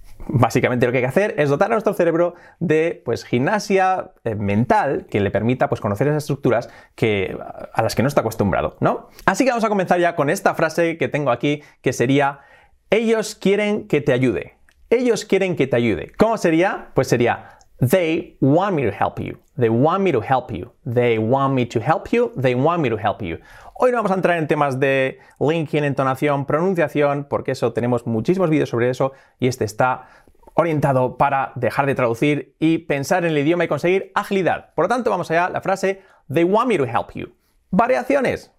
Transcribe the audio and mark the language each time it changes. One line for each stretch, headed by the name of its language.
Spanish: Básicamente lo que hay que hacer es dotar a nuestro cerebro de pues, gimnasia mental que le permita pues, conocer esas estructuras que, a las que no está acostumbrado, ¿no? Así que vamos a comenzar ya con esta frase que tengo aquí que sería ellos quieren que te ayude. Ellos quieren que te ayude. ¿Cómo sería? Pues sería
English: they want me to help you. They want me to help you. They want me to help you. They want me to help you.
Spanish: Hoy no vamos a entrar en temas de linking, entonación, pronunciación, porque eso tenemos muchísimos vídeos sobre eso y este está orientado para dejar de traducir y pensar en el idioma y conseguir agilidad. Por lo tanto, vamos allá a la frase
English: they want me to help you.
Spanish: Variaciones.